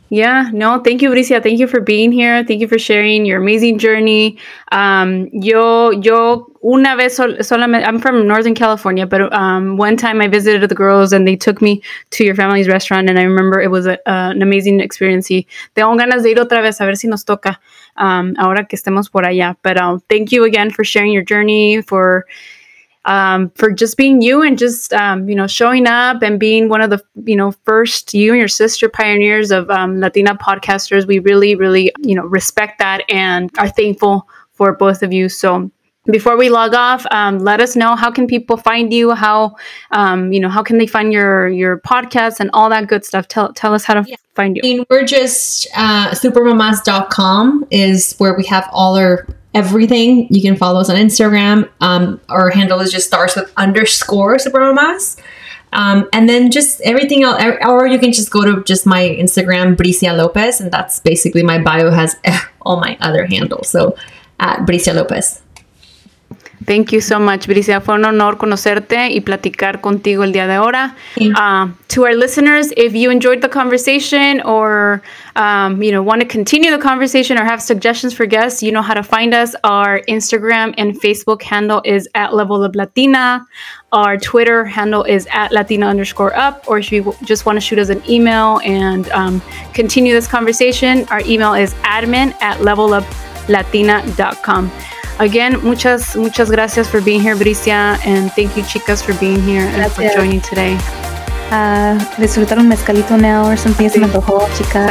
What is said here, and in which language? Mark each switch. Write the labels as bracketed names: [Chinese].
[English] Yeah, no, thank you, Bricia. Thank you for being here. Thank you for sharing your amazing journey. I'm from Northern California, but one time I visited the girls and they took me to your family's restaurant, and I remember it was an amazing experience. [Spanish] Tengo ganas de ir otra vez a ver si nos toca ahora que estemos por allá. [English] But thank you again for sharing your journey, for just being you and just, you know, showing up and being one of the, you know, first you and your sister pioneers of Latina podcasters. We really, really, you know, respect that and are thankful for both of you. So before we log off, let us know, how can people find you? How, you know, how can they find your podcast and all that good stuff? Tell us how to find you. I mean, we're just supermamas.com is where we have all our everything. You can follow us on Instagram. Our handle is just stars with underscore SuperMamas. And then just everything else, or you can just go to just my Instagram, Bricia Lopez, and that's basically my bio, has all my other handles. So at Bricia Lopez. Thank you so much, Bricia. [Spanish] Fue un honor conocerte y platicar contigo el día de ahora. [English] To our listeners, if you enjoyed the conversation or you know, want to continue the conversation or have suggestions for guests, you know how to find us. Our Instagram and Facebook handle is at Level Up Latina. Our Twitter handle is at Latina_up. Or if you just want to shoot us an email and continue this conversation, our email is admin@leveluplatina.com. Again, [Spanish] muchas, muchas gracias [English] for being here, Bricia, and thank you, chicas, for being here and [Spanish] gracias [English] for joining today. [Spanish] Disfrutar un mezcalito [English] now or something, [Spanish] sí. Se me antojó, chicas.